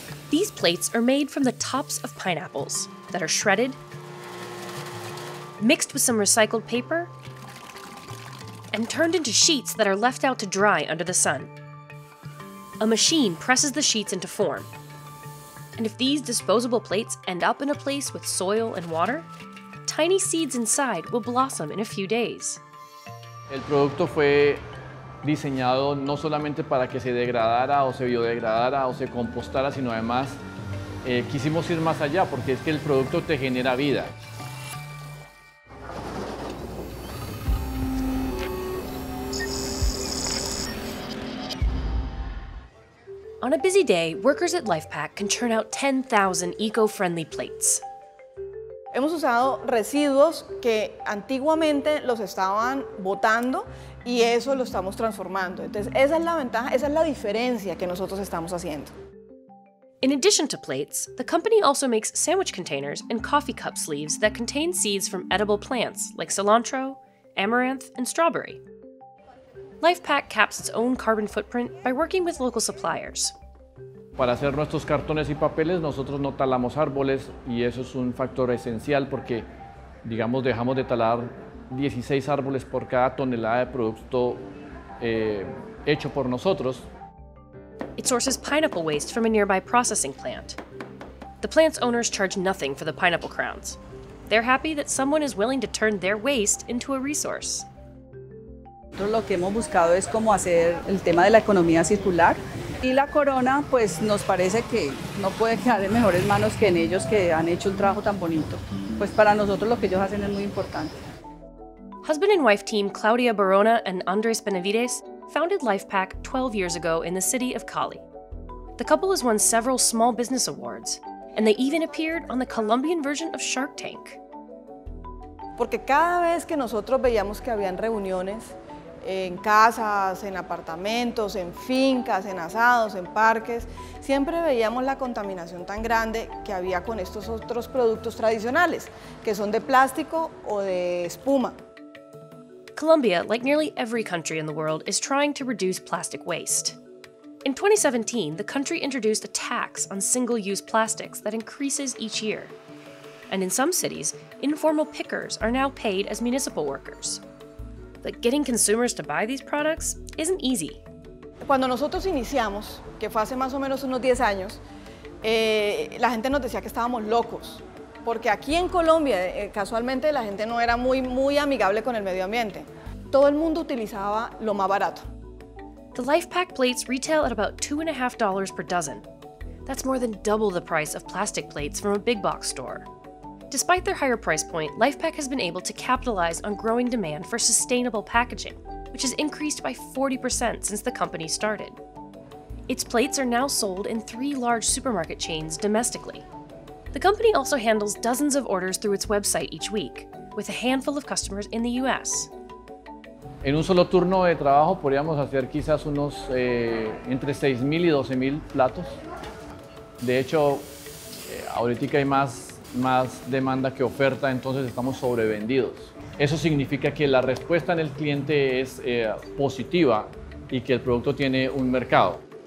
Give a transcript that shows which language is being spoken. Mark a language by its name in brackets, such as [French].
[English] These plates are made from the tops of pineapples that are shredded, mixed with some recycled paper, and turned into sheets that are left out to dry under the sun. A machine presses the sheets into form. And if these disposable plates end up in a place with soil and water, tiny seeds inside will blossom in a few days. [Spanish] El producto fue diseñado no solamente para que se degradara o se biodegradara o se compostara, sino además quisimos ir más allá porque es que el producto te genera vida. [English] On a busy day, workers at LifePak can churn out 10,000 eco-friendly plates. [Spanish] Hemos usado residuos que antiguamente los estaban botando y eso lo estamos transformando. Entonces, esa es la ventaja, esa es la diferencia que nosotros estamos haciendo. [English] In addition to plates, the company also makes sandwich containers and coffee cup sleeves that contain seeds from edible plants like cilantro, amaranth, and strawberry. LifePak caps its own carbon footprint by working with local suppliers. [Spanish] Para hacer nuestros cartones y papeles, nosotros no talamos árboles y eso es un factor esencial porque, digamos, dejamos de talar 16 árboles por cada tonelada de producto hecho por nosotros. [English] It sources pineapple waste from a nearby processing plant. The plant's owners charge nothing for the pineapple crowns. They're happy that someone is willing to turn their waste into a resource. [Spanish] Nosotros lo que hemos buscado es cómo hacer el tema de la economía circular y la corona, pues nos parece que no puede quedar en mejores manos que en ellos que han hecho un trabajo tan bonito. Pues para nosotros lo que ellos hacen es muy importante. [English] Husband and wife team Claudia Barona and Andres Benavides founded LifePak 12 years ago in the city of Cali. The couple has won several small business awards, and they even appeared on the Colombian version of Shark Tank. [Spanish] porque cada vez que nosotros veíamos que habían reuniones en casas, en apartamentos, en fincas, en asados, en parques, siempre veíamos la contaminación tan grande que había con estos otros productos tradicionales, que son de plástico o de espuma. [English] Colombia, like nearly every country in the world, is trying to reduce plastic waste. In 2017, the country introduced a tax on single-use plastics that increases each year. And in some cities, informal pickers are now paid as municipal workers. But getting consumers to buy these products isn't easy. [Spanish] Cuando nosotros iniciamos, que fue hace más o menos unos 10 años, la gente nos decía que estábamos locos. Porque aquí en Colombia, casualmente, la gente no era muy amigable con el medio ambiente. Todo el mundo utilizaba lo más barato. [English] The Life Pack plates retail at about $2.50 per dozen. That's more than double the price of plastic plates from a big box store. Despite their higher price point, Life Pack has been able to capitalize on growing demand for sustainable packaging, which has increased by 40% since the company started. Its plates are now sold in 3 large supermarket chains domestically. The company also handles dozens of orders through its website each week, with a handful of customers in the US. [Spanish] En un solo turno de trabajo podríamos hacer quizás unos entre 6.000 y 12.000 platos. De hecho, ahorita hay más demanda que oferta, entonces estamos sobrevendidos. Eso significa que la respuesta en el cliente es positiva y que el producto tiene un mercado.